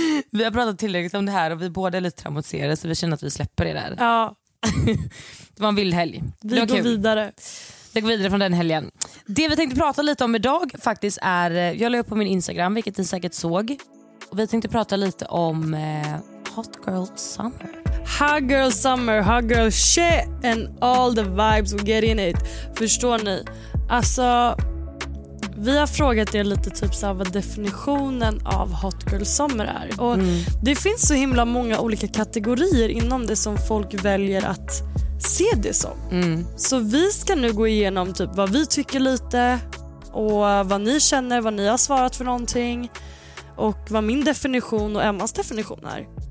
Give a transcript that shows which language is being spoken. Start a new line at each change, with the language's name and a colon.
Swedish: Vi har pratat tillräckligt om det här och vi båda är lite traumatiserade, så vi känner att vi släpper det där. Ja. Det var en vild helg. Vi går vidare. Jag går vidare från den helgen. Det vi tänkte prata lite om idag faktiskt är... Jag la upp på min Instagram, vilket ni säkert såg. Och vi tänkte prata lite om Hot Girl Summer.
English: Hot Girl Summer, Hot Girl Shit and all the vibes we get in it.
Swedish: Förstår ni? Alltså, vi har frågat er lite typ så här, vad definitionen av Hot Girl Summer är. Och det finns så himla många olika kategorier inom det som folk väljer att... se det som. Så vi ska nu gå igenom typ vad vi tycker lite och vad ni känner, vad ni har svarat för någonting och vad min definition och Emmas definition är.